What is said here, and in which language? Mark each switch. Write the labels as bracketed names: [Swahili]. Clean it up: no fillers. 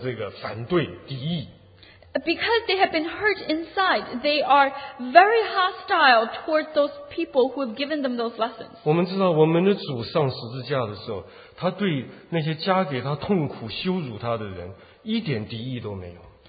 [Chinese] 他里面受了伤了，所以呢，对那位给他功课的人呢，他里面充满了这个反对、敌意。 [English] Because they have been hurt inside, they are very hostile towards those people who have given them those lessons. [Chinese] 我们知道我们的主上十字架的时候，他对那些加给他痛苦、羞辱他的人一点敌意都没有。